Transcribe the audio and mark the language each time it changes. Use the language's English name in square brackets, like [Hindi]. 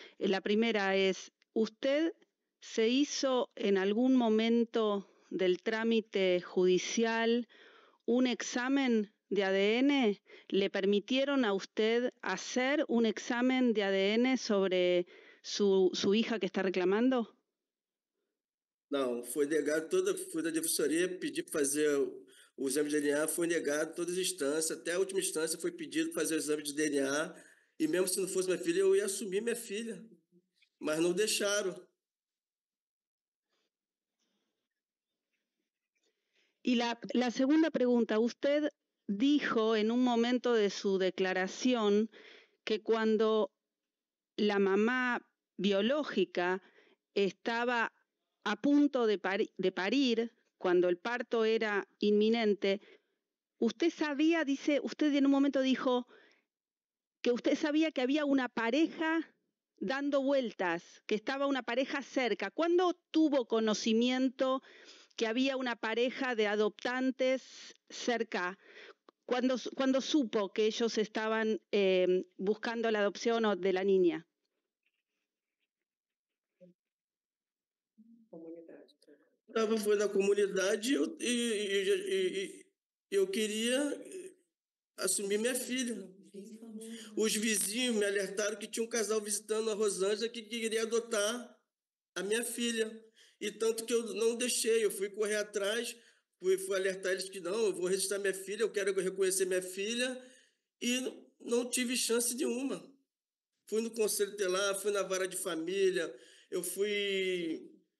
[Spanish] La primera es, ¿usted se hizo en algún momento del trámite judicial un examen de ADN? ¿Le permitieron a usted hacer un examen de ADN sobre su hija que está reclamando? No, fue negado toda, [Portuguese] fui da defensoria, pedi para hacer o exame de DNA, fue negado todas as instâncias, até a última instância foi pedido para fazer o exame de DNA, e mesmo se não fosse minha filha, eu ia assumir minha filha, mas não deixaram. [Spanish] Y la segunda pregunta, usted dijo en un momento de su declaración que cuando la mamá biológica estaba a punto de parir, cuando el parto era inminente, usted sabía, dice, usted en un momento dijo que usted sabía que había una pareja dando vueltas, que estaba una pareja cerca. ¿Cuándo tuvo conocimiento que había una pareja de adoptantes cerca? ¿Cuándo supo que ellos estaban buscando la adopción de la niña? Estaba en la comunidad y yo quería asumir mi hija. Los vecinos me alertaron que [Portuguese] tinha un casal [Spanish] visitando a Rosângela que quería adoptar a mi hija. [Portuguese] E tanto que eu não deixei, eu fui correr atrás, fui alertar eles que não, eu vou registrar minha filha, eu quero reconhecer minha filha, e não tive chance nenhuma. Fui no conselho tutelar, fui na vara de família, eu fui...